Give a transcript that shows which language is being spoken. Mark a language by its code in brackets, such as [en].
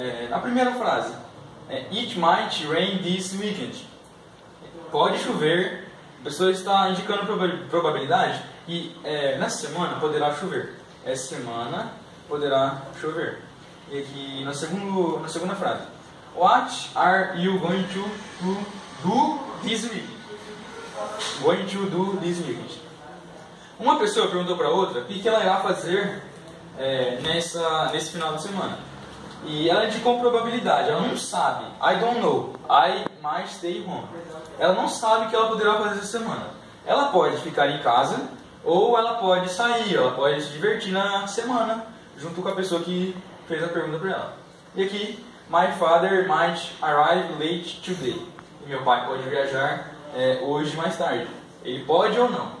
[pt] Na primeira frase, [en] it might rain this weekend. [pt] pode chover. A pessoa está indicando probabilidade e nessa semana poderá chover. Essa semana poderá chover. E aqui na segunda frase. [en] What are you going to do this week? Going to do this week. [pt] Uma pessoa perguntou para outra o que ela irá fazer nesse final de semana. E ela indicou probabilidade, ela não sabe. [en] I don't know. I might stay home. [pt] Ela não sabe o que ela poderá fazer essa semana. Ela pode ficar em casa ou ela pode sair, ela pode se divertir na semana junto com a pessoa que fez a pergunta para ela. E aqui, [en] my father might arrive late today. [pt] E meu pai pode viajar hoje mais tarde. Ele pode ou não.